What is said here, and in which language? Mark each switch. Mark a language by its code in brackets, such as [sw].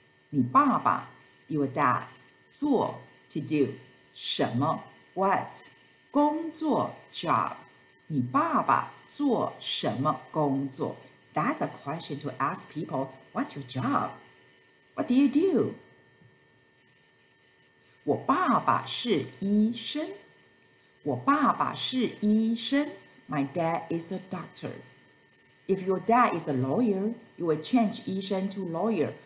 [zh] 你爸爸 [en] your dad, 做 to do, 什么 what? [zh] 工作 job, 你爸爸做什么工作？ [en] That's a question to ask people, what's your job? What do you do? [zh] 我爸爸是医生，我爸爸是医生。 [en] My dad is a doctor. If your dad is a lawyer, you will change 医生 to lawyer.